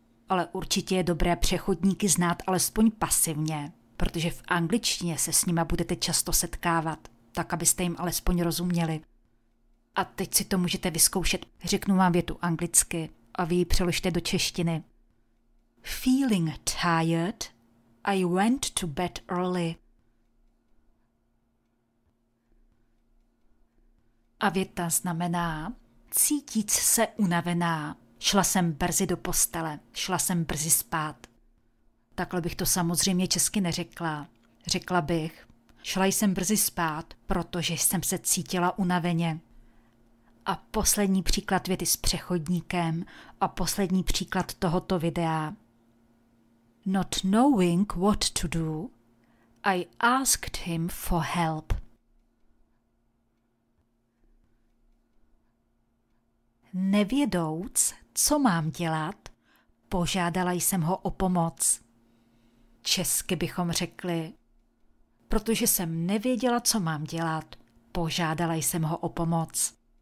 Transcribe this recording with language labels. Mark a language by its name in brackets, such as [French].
[Czech] Ale určitě je dobré přechodníky znát alespoň pasivně, protože v angličtině se s nima budete často setkávat, tak abyste jim alespoň rozuměli. A teď si to můžete vyzkoušet. Řeknu vám větu anglicky a vy ji přeložte do češtiny. [English] Feeling tired, I went to bed early. [Czech] A věta znamená, cítíc se unavená, šla jsem brzy do postele, šla jsem brzy spát. Takhle bych to samozřejmě česky neřekla. Řekla bych, šla jsem brzy spát, protože jsem se cítila unaveně. A poslední příklad věty s přechodníkem a poslední příklad tohoto videa. [English] Not knowing what to do, I asked him for help. [Czech] Nevědouc, co mám dělat, požádala jsem ho o pomoc. Česky bychom řekli, protože jsem nevěděla, co mám dělat, požádala jsem ho o pomoc.